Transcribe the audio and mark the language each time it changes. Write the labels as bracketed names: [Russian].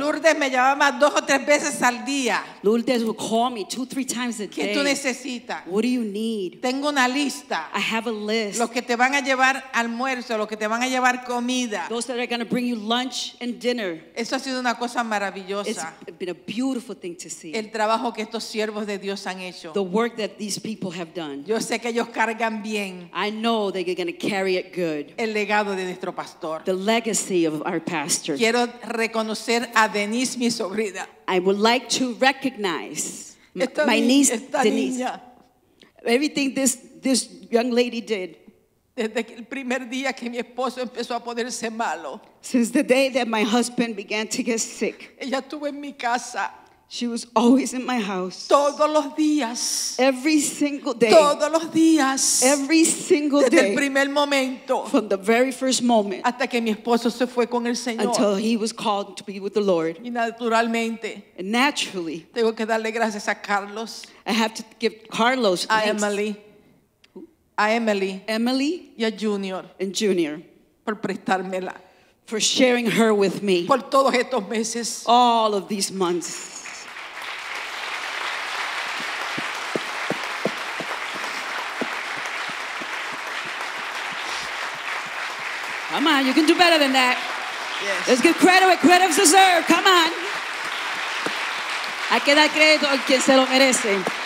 [Spanish] Lourdes me llamaba dos o tres veces al día. [English] Lourdes would call me two, three times a day. [Spanish] ¿Qué tú necesitas? [English] What do you need? [Spanish] Tengo una lista. [English] I have a list. [Spanish] Los que te van a llevar almuerzo, los que te van a llevar comida. [English] Those that are going to bring you lunch and dinner. [Spanish] Eso ha sido una cosa maravillosa. [English] It's been a beautiful thing to see. [Spanish] El trabajo que estos siervos de Dios han hecho. [English] The work that these people have done. [Spanish] Yo sé que ellos cargan bien. [English] I know that they're going to carry it good. [Spanish] El legado de nuestro pastor. [English] The legacy of our pastor. [Spanish] Quiero reconocer a Denise, mi sobrina. [English] I would like to recognize my niece, Denise. Everything this young lady did. [Spanish] Desde el primer día que mi esposo empezó a ponerse malo. [English] Since the day that my husband began to get sick. [Spanish] Ella estuvo en mi casa. [English] She was always in my house. [Spanish] Todos los días. [English] Every single day. [Spanish] Todos los días. [English] Every single [Spanish] desde [English] day. [Spanish] Desde el primer momento. [English] From the very first moment. [Spanish] Hasta que mi esposo se fue con el Señor. [English] Until he was called to be with the Lord. [Spanish] Y naturalmente. [English] And naturally. [Spanish] Tengo que darle gracias a Carlos. [English] I have to give Carlos [Spanish] a Emily. A Emily. Emily. Y a Junior. [English] And Junior. [Spanish] Por prestármela. [English] For sharing her with me. [Spanish] Por todos estos meses. [English] All of these months. Come on, you can do better than that. Yes. Let's give credit where credit's deserved. Come on. [Spanish] Hay que dar crédito a quien se lo merece.